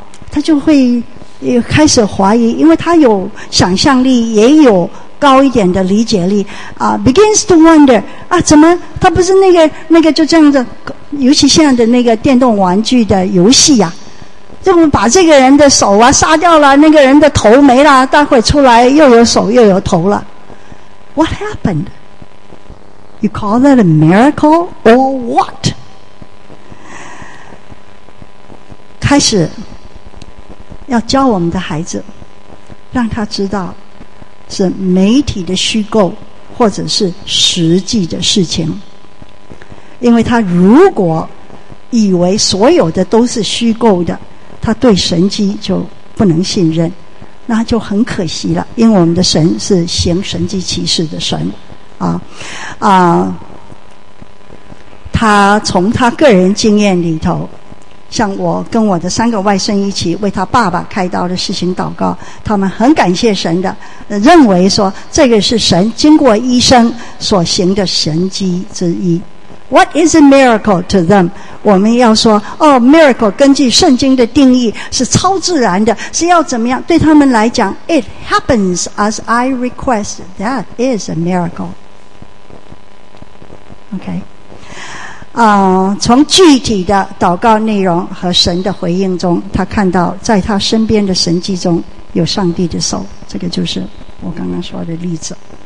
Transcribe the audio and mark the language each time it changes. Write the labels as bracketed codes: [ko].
[zh] 他就会开始怀疑，因为他有想象力，也有高一点的理解力 [en] begins to wonder [zh] 怎么他不是那个就这样的，尤其现在的那个电动玩具的游戏就把这个人的手杀掉了，那个人的头没了，待会出来又有手又有头了。 [en] What happened? You call that a miracle or what? [zh] 开始要教我们的孩子让他知道是媒体的虚构或者是实际的事情。因为他如果以为所有的都是虚构的，他对神迹就不能信任，那就很可惜了。因为我们的神是行神迹奇事的神啊啊！他从他个人经验里头，像我跟我的三个外甥一起为他爸爸开刀的事情祷告，他们很感谢神的，认为说这个是神经过医生所行的神迹之一。 [en] What is a miracle to them? [zh] 我们要说哦 ，miracle 根据圣经的定义是超自然的，是要怎么样？对他们来讲 [en] ，It happens as I request. That is a miracle. [zh] OK， 从具体的祷告内容和神的回应中，他看到在他身边的神迹中有上帝的手。这个就是我刚刚说的例子。